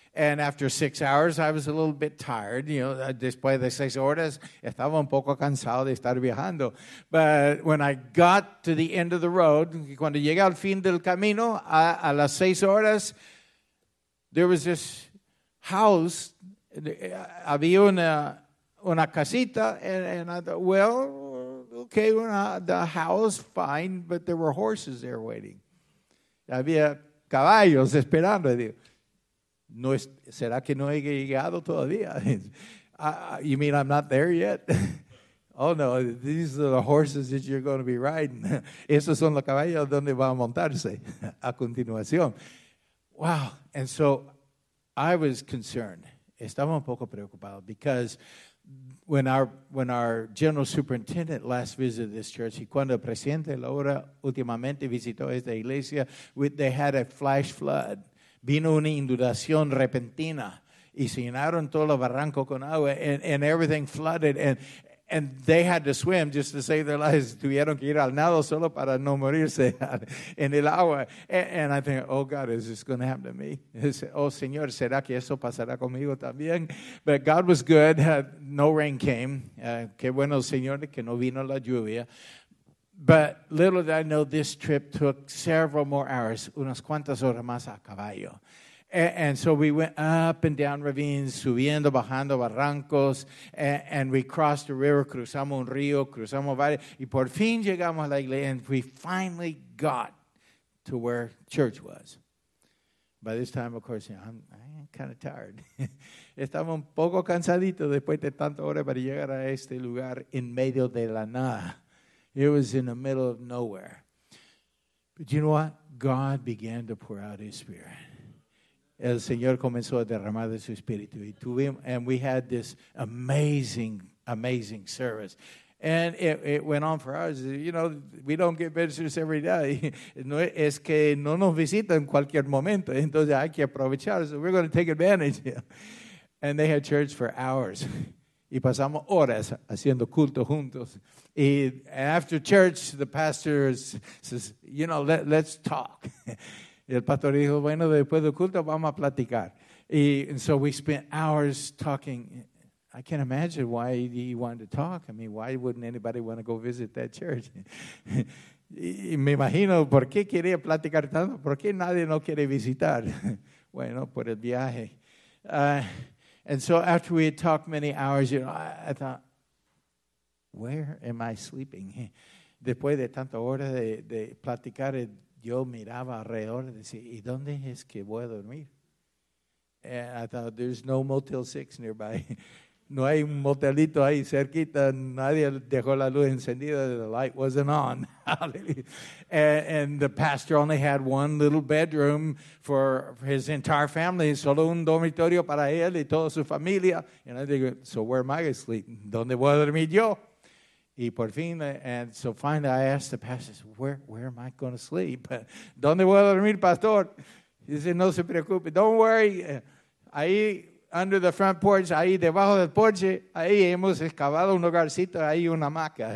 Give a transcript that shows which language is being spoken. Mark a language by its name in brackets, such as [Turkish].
[English] And after 6 hours, I was a little bit tired. You know, [Spanish] después de 6 horas, estaba un poco cansado de estar viajando. [English] But when I got to the end of the road, [Spanish] cuando llegué al fin del camino, a las 6 horas, [English] there was this house. [Spanish] Había una casita, [English] and I thought, well, okay, the house, fine, but there were horses there waiting. [Spanish] Había caballos esperando. No, ¿será que no he llegado todavía? [English] You mean I'm not there yet? Oh no, these are the horses that you're going to be riding. [Spanish] Esos son los caballos donde va a montarse a continuación. [English] Wow. And so I was concerned. [Spanish] Estaba un poco preocupado [English] because when our general superintendent last visited this church, [Spanish] y cuando el presidente Laura últimamente visitó esta iglesia, [English] they had a flash flood. [Spanish] Vino una inundación repentina. Y se llenaron todo el barranco con agua, and everything flooded, and they had to swim just to save their lives. Tuvieron que ir al nado solo para no morirse en el agua. [English] And I think, oh God, is this going to happen to me? [Spanish] Oh Señor, ¿será que eso pasará conmigo también? [English] But God was good. No rain came. [Spanish] Qué bueno el Señor que no vino la lluvia. [English] But little did I know, this trip took several more hours, [Spanish] unas cuantas horas más a caballo. [English] And so we went up and down ravines, [Spanish] subiendo, bajando barrancos, [English] and we crossed a river, [Spanish] cruzamos un río, cruzamos varios, y por fin llegamos a la iglesia, [English] and we finally got to where church was. By this time, of course, I'm kind of tired. [Spanish] Estamos un poco cansadito después de tanta hora para llegar a este lugar en medio de la nada. [English] It was in the middle of nowhere. But you know what? God began to pour out his spirit. [Spanish] El Señor comenzó a derramar de su espíritu. [English] And we had this amazing, amazing service. And it went on for hours. You know, we don't get visitors every day. [Spanish] No es que no nos visitan en cualquier momento. Entonces hay que aprovechar. [English] So we're going to take advantage. And they had church for hours. [Spanish] Y pasamos horas haciendo culto juntos. [English] And after church, the pastor says, you know, let's talk. [Spanish] El pastor dijo, bueno, después del culto vamos a platicar. [English] And so we spent hours talking. I can't imagine why he wanted to talk. I mean, why wouldn't anybody want to go visit that church? [Spanish] Y me imagino, ¿por qué quería platicar tanto? ¿Por qué nadie no quiere visitar? Bueno, por el viaje. [English] And so after we had talked many hours, you know, I thought, where am I sleeping? [Spanish] Después de tanta hora de platicar, yo miraba alrededor y decía, ¿y dónde es que voy a dormir? [English] And I thought, there's no Motel 6 nearby. [Spanish] No hay un motelito ahí cerquita. Nadie dejó la luz encendida. [English] The light wasn't on. And the pastor only had one little bedroom for his entire family. [Spanish] Solo un dormitorio para él y toda su familia. [English] And I think, so where am I going to sleep? [Spanish] ¿Dónde voy a dormir yo? Y por fin, [English] and so finally I asked the pastor, where am I going to sleep? [Spanish] ¿Dónde voy a dormir, pastor? [English] He said, [Spanish] no se preocupe. [English] Don't worry. [Spanish] Ahí, [English] under the front porch, [Spanish] ahí debajo del porche, ahí hemos excavado un lugarcito, ahí una hamaca.